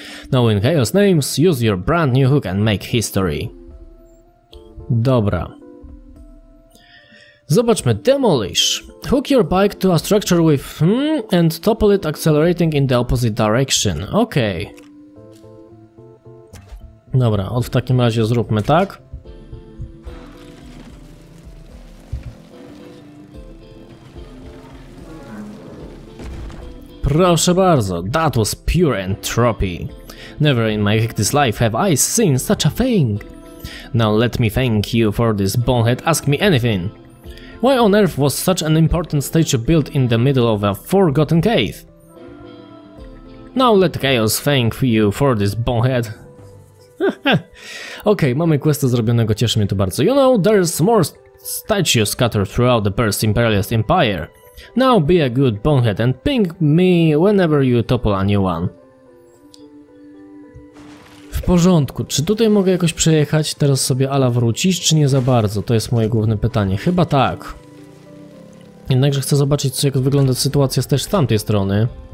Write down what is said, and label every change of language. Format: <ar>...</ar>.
<en>Now in chaos names, use your brand new hook and make history. Dobra. Zobaczmy, demolish. Hook your bike to a structure with and topple it accelerating in the opposite direction. Okej. Okay.</en> <pl>Dobra, w takim razie zróbmy tak. Proszę bardzo,</pl> <en>that was pure entropy. Never in my hectic life have I seen such a thing. Now let me thank you for this, Bonehead, ask me anything. Why on earth was such an important statue built in the middle of a forgotten cave? Now let chaos thank you for this, Bonehead.</en> <pl>Okej, okay, mamy questa zrobionego, cieszy mnie to bardzo.</pl> <en>You know, there's more statues scattered throughout the first imperialist empire. Now be a good Bonehead and ping me whenever you topple a new one.</en> <pl>W porządku, czy tutaj mogę jakoś przejechać, teraz sobie ala wrócić, czy nie za bardzo? To jest moje główne pytanie. Chyba tak. Jednakże chcę zobaczyć, jak wygląda sytuacja też z tamtej strony.</pl>